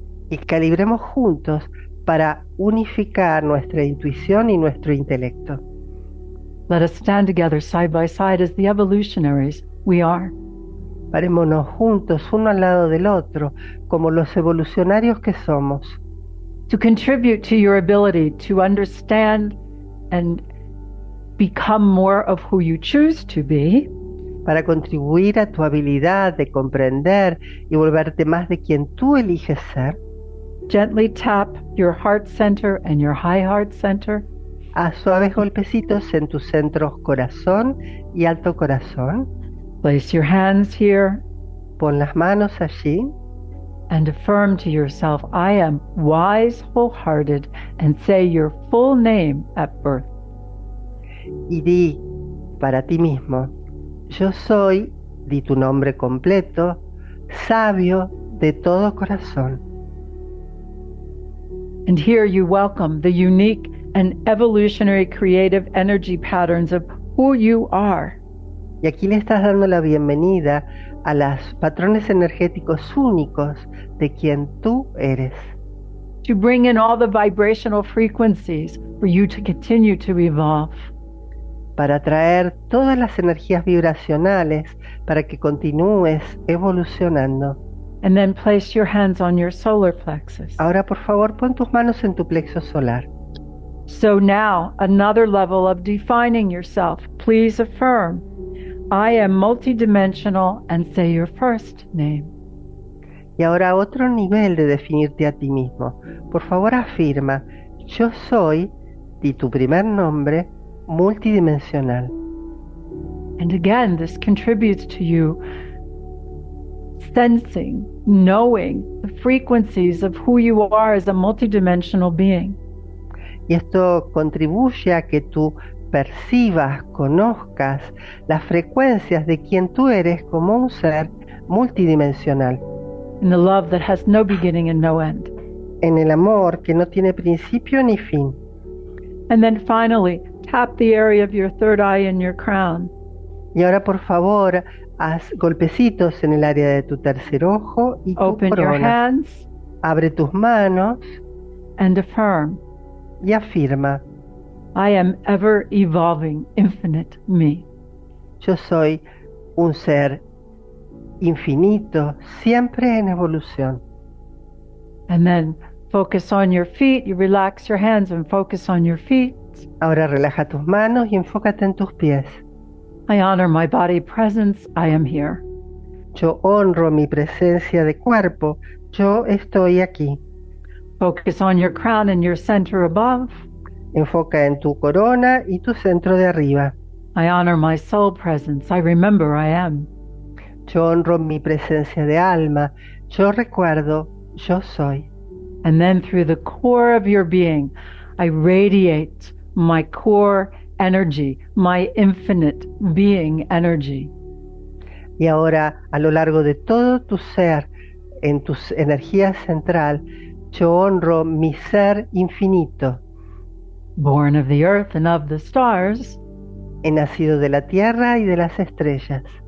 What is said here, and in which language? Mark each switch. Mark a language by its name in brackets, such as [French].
[Spanish] Y calibremos juntos para unificar nuestra intuición y nuestro intelecto. [English] Let us stand together side by side as the evolutionaries we are. [Spanish] Parémonos juntos, uno al lado del otro, como los evolucionarios que somos. [English] To contribute to your ability to understand and become more of who you choose to be. [Spanish] Para contribuir a tu habilidad de comprender y volverte más de quien tú eliges ser. [English] Gently tap your heart center and your high heart center. [Spanish] A suaves golpecitos en tus centros corazón y alto corazón. [English] Place your hands here. [Spanish] Pon las manos allí. [English] And affirm to yourself, I am wise, wholehearted, and say your full name at birth. [Spanish] Y di para ti mismo, yo soy, di tu nombre completo, sabio de todo corazón. [English] And here you welcome the unique and evolutionary creative energy patterns of who you are. [Spanish] Y aquí le estás dando la bienvenida a los patrones energéticos únicos de quien tú eres. [English] To bring in all the vibrational frequencies for you to continue to evolve. [Spanish] Para traer todas las energías vibracionales para que continúes evolucionando. [English] And then place your hands on your solar plexus. [Spanish] Ahora, por favor, pon tus manos en tu plexo solar. [English] So now, another level of defining yourself. Please affirm. I am multidimensional and say your first name. [Spanish] Y ahora otro nivel de definirte a ti mismo. Por favor, afirma, yo soy, di tu primer nombre, multidimensional. [English] And again, this contributes to you sensing, knowing the frequencies of who you are as a multidimensional being. [Spanish] Y esto contribuye a que tú percibas, conozcas las frecuencias de quien tú eres como un ser multidimensional. [English] In the love that has no beginning and no end. [Spanish] En el amor que no tiene principio ni fin. [English] And then finally, tap the area of your third eye in your crown. [Spanish] Y ahora, por favor, haz golpecitos en el área de tu tercer ojo y tu [English] Open [Spanish] corona. [English] Your hands [Spanish] Abre tus manos [English] and affirm. [Spanish] Y afirma. [English] I am ever evolving, infinite me. [Spanish] Yo soy un ser infinito, siempre en evolución. [English] And then focus on your feet, you relax your hands and focus on your feet. [Spanish] Ahora relaja tus manos y enfócate en tus pies. [English] I honor my body presence, I am here. [Spanish] Yo honro mi presencia de cuerpo, yo estoy aquí. [English] Focus on your crown and your center above. [Spanish] Enfoca en tu corona y tu centro de arriba. [English] I honor my soul presence. I remember I am. [Spanish] Yo honro mi presencia de alma. Yo recuerdo, yo soy. [English] And then through the core of your being, I radiate my core energy, my infinite being energy. [Spanish] Y ahora, a lo largo de todo tu ser, en tu energía central, yo honro mi ser infinito. [English] Born of the earth and of the stars. [Spanish] He nacido de la tierra y de las estrellas.